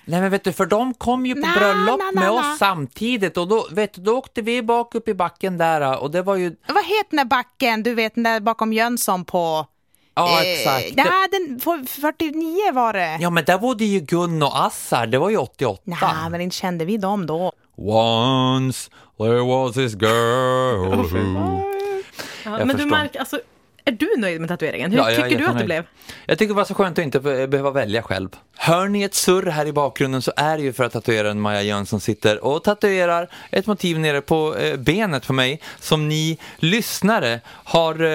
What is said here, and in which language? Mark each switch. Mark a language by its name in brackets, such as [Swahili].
[Swedish] Nej, men vet du, för de kom ju på bröllop med oss samtidigt. Och då, vet du, då åkte vi bak upp i backen där. Och det var ju... Vad heter den backen? Du vet, den bakom Jönsson på... Ja, exakt. Nej, den 49 var det. Ja, men där bodde ju Gunn och Assar. Det var ju 88. Nej, men inte kände vi dem då. [English] Once there was this girl. Who... [Swedish] Ja, men du, Mark, alltså, är du nöjd med tatueringen? Hur tycker du att det blev? Jag tycker det var så skönt att inte behöva välja själv. Hör ni ett surr här i bakgrunden så är det ju för att tatueraren Maja Jönsson sitter och tatuerar ett motiv nere på benet för mig som ni lyssnare har...